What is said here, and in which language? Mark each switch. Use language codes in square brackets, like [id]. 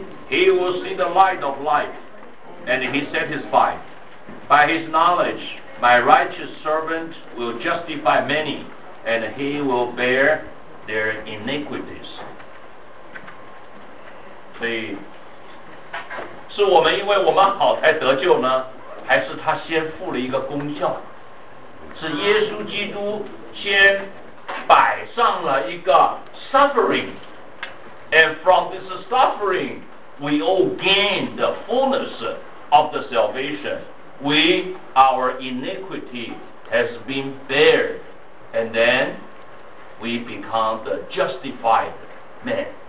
[en] He will see the light of life, and he satisfied. By his knowledge, my righteous servant will justify many, and he will bear their iniquities. [zh] 所以，是我们因为我们好才得救呢，还是他先付了一个功效？是耶稣基督先摆上了一个 [en] suffering, and from this suffering,We all gain the fullness of the salvation. We, our iniquity has been bared, and then we become the justified man.